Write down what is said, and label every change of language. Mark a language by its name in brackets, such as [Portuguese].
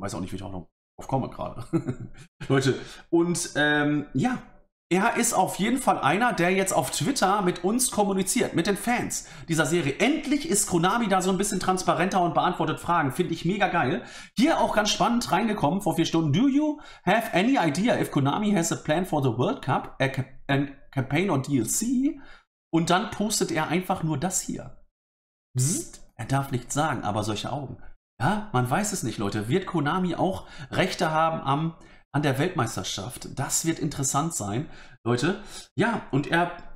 [German] Weiß auch nicht, wie ich auch noch drauf komme gerade. Leute, und ja, er ist auf jeden Fall einer, der jetzt auf Twitter mit uns kommuniziert, mit den Fans dieser Serie. Endlich ist Konami da so ein bisschen transparenter und beantwortet Fragen. Finde ich mega geil. Hier auch ganz spannend reingekommen vor 4 Stunden. [English] Do you have any idea if Konami has a plan for the World Cup? Campaign or DLC? [German] Und dann postet er einfach nur das hier. Bzzzt. Er darf nichts sagen, aber solche Augen. Ja, man weiß es nicht, Leute. Wird Konami auch Rechte haben an der Weltmeisterschaft? Das wird interessant sein, Leute. Ja, und er